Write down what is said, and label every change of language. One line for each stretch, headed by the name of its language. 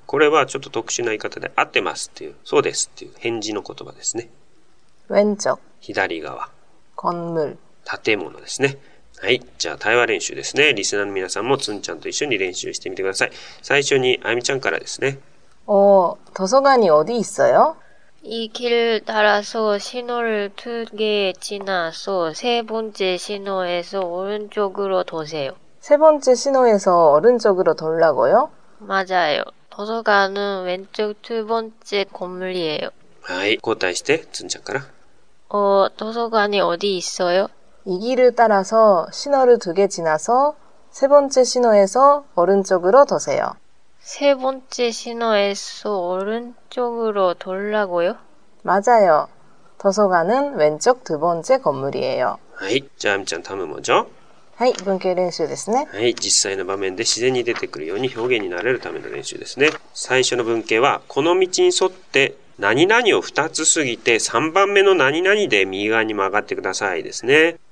Japanese: これはちょっと特殊な言い方で、合ってますっていう、そうですっていう返事の言葉ですね。
Korean: 왼쪽。
Japanese: 左側。
Korean: 건물。
Japanese: 建物ですね。はい。じゃあ、対話練習ですね。リスナーの皆さんも、つんちゃんと一緒に練習してみてください。最初に、あゆみちゃんからですね。お、図書館に
Korean: 어디있어요 이길따라서신호를두개지나서세번째신호에서오른쪽으로도세요。 세번째신호에서오른쪽으로돌라고요 맞아요。図書館은왼쪽두번째건물이에요。
Japanese: はい。交代して、つんちゃんから。お、図書館に
Korean: 어디있어요 이길을따라서신호를두개지나서세번째신호에서오른쪽으로도세요 세번째신호에서오른쪽으로돌라고요 맞아요도서관은왼쪽두번째건물이에요
Japanese: はい、じゃあ、あみちゃん、タムもじゃはい、文型練習ですね。はい、実際の場面で自然に出てくるように表現になれるための練習ですね。最初の文型は、この道に沿って何々を2つ過ぎて3番目の何々で右側に曲がってくださいですね。